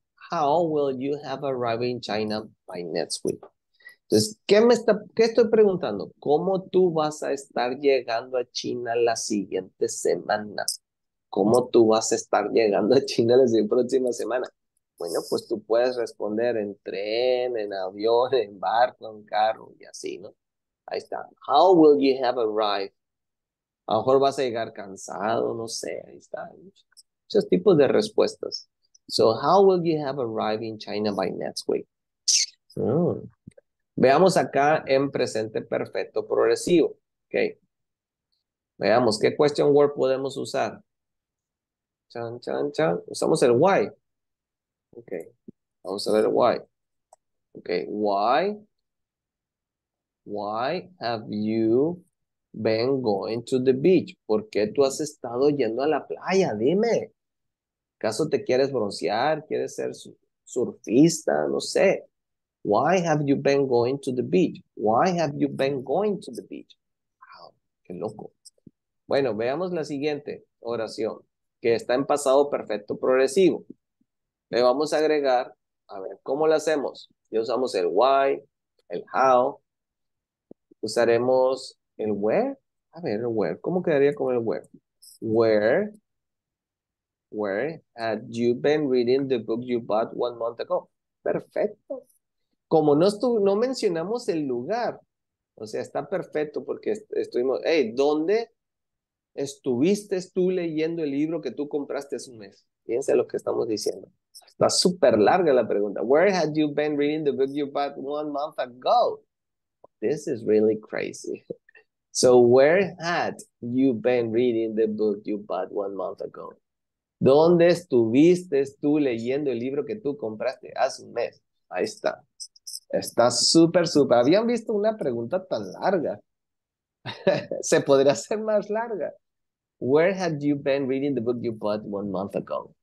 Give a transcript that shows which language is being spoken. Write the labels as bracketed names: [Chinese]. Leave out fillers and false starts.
[English] How will you have arrived in China by next week? [Spanish] Entonces, ¿qué estoy preguntando? ¿Cómo tú vas a estar llegando a China la siguiente semana? ¿Cómo tú vas a estar llegando a China la próxima semana? Bueno, pues tú puedes responder en tren, en avión, en barco, en carro y así, ¿no? Ahí está. [English] How will you have arrived? [Spanish] A lo mejor vas a llegar cansado, no sé, ahí está. Muchos tipos de respuestas. [English] So, how will you have arrived in China by next week? [Spanish] Veamos acá en presente perfecto progresivo. Ok. Veamos qué question word podemos usar. Chan, chan, chan. Usamos el why. Ok. Vamos a ver why. Ok. [English] Why have you been going to the beach? [Spanish] ¿Por qué tú has estado yendo a la playa? Dime. ¿Acaso te quieres broncear? ¿Quieres ser surfista? No sé. [English] Why have you been going to the beach? Why have you been going to the beach? [Spanish] Wow, qué loco. Bueno, veamos la siguiente oración que está en pasado perfecto progresivo. Le vamos a agregar, a ver, ¿cómo la hacemos? Ya usamos el why, el how. Usaremos el where. A ver, el where. ¿Cómo quedaría con el where? [English] Where had you been reading the book you bought 1 month ago? [Spanish] Perfecto. Como no mencionamos el lugar, o sea, está perfecto porque estuvimos, hey, ¿dónde estuviste tú leyendo el libro que tú compraste hace un mes? Fíjense lo que estamos diciendo. Está súper larga la pregunta. [English] Where had you been reading the book you bought 1 month ago? This is really crazy. So, where had you been reading the book you bought 1 month ago? [Spanish] ¿Dónde estuviste tú leyendo el libro que tú compraste hace un mes? Ahí está. Está súper, súper. ¿Habían visto una pregunta tan larga? Se podría hacer más larga. [English] Where had you been reading the book you bought 1 month ago?